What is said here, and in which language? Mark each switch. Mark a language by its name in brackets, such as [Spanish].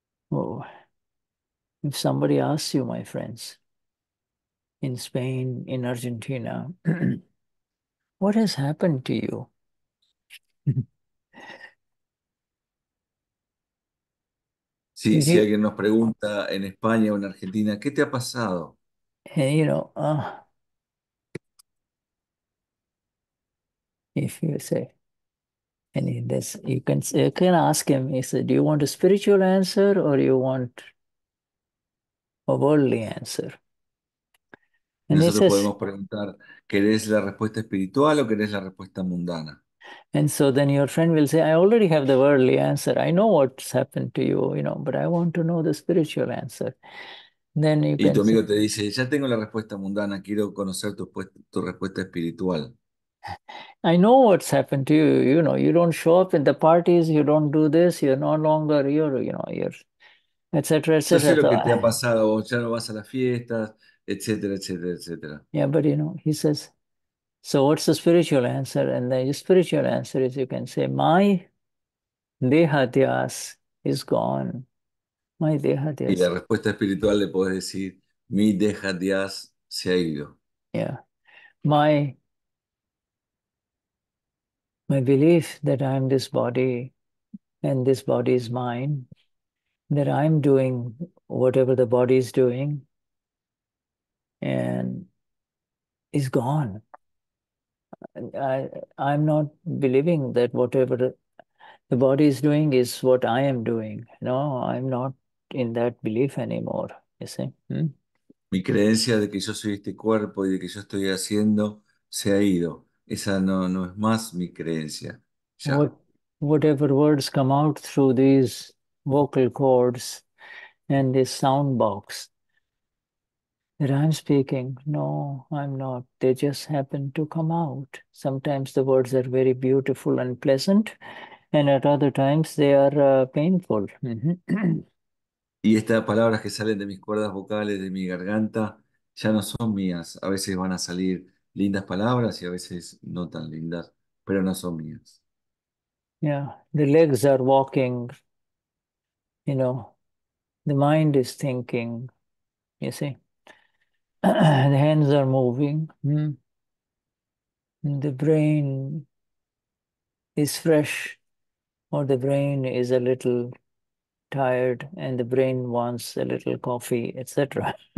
[English] Oh, if somebody asks you, my friends, in Spain, in Argentina, what has happened to you? [Spanish] Sí, si alguien nos pregunta en España o en Argentina, ¿qué te ha pasado? [English] You know, if you say, and in this, you can ask him, he said, do you want a spiritual answer or do you want a worldly answer? And [Spanish] nosotros [English] says, [Spanish] podemos preguntar, ¿querés la respuesta espiritual o querés la respuesta mundana? [English] And so then your friend will say, I already have the worldly answer. I know what's happened to you, you know, but I want to know the spiritual answer. Then you [Spanish] y [English] can [Spanish] tu amigo [English] say, [Spanish] te dice, ya tengo la respuesta mundana, quiero conocer tu respuesta espiritual. [English] I know what's happened to you, you know, you don't show up in the parties, you don't do this, you're no longer, you're, you know, you're, etc., etc. [Spanish] Yo sé lo que te ha pasado, vos ya no vas a las fiestas, etc., etc., etc. [English] Yeah, but you know, he says, so what's the spiritual answer? And the spiritual answer is, you can say, my Dehadhyaas is gone. My Dehadhyaas. [Spanish] Y la respuesta espiritual le puedes decir, Mi Deha-adhyaas se ha ido. [English] Yeah. My belief that I'm this body and this body is mine, that I'm doing whatever the body is doing, and is gone. I'm not believing that whatever the body is doing is what I am doing. No, I'm not in that belief anymore, you see. [Spanish] Mi creencia de que yo soy este cuerpo y de que yo estoy haciendo se ha ido. Esa no es más mi creencia. Ya. [English] Whatever words come out through these vocal cords and this sound box that I'm speaking, no, I'm not. They just happen to come out. Sometimes the words are very beautiful and pleasant, and at other times they are painful. [Spanish] Y estas palabras que salen de mis cuerdas vocales, de mi garganta, ya no son mías. A veces van a salir lindas palabras y a veces no tan lindas, pero no son mías. [English] Yeah, the legs are walking, you know, the mind is thinking, you see, the hands are moving, the brain is fresh, or the brain is a little tired and the brain wants a little coffee, etc.